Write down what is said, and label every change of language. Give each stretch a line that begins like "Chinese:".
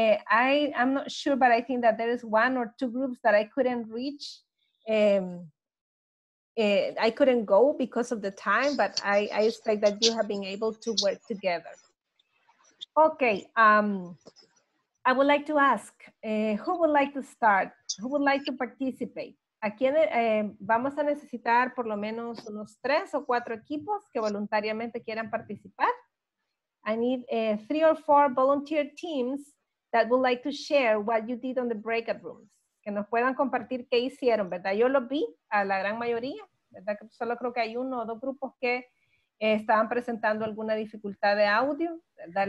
English: I'm not sure, but I think that there is one or two groups that I couldn't reach. I couldn't go because of the time, but I expect that you have been able to work together. Okay. I would like to ask, who would like to start? Who would like to participate?
Spanish: ¿A quién, vamos a necesitar por lo menos unos 3 o 4 equipos que voluntariamente quieran participar.
English: I need 3 or 4 volunteer teams that would like to share what you did on the breakout rooms.
Spanish: Que nos puedan compartir qué hicieron, ¿verdad? Yo los vi a la gran mayoría, ¿verdad? Solo creo que hay uno o dos grupos que estaban presentando alguna dificultad de audio, ¿verdad?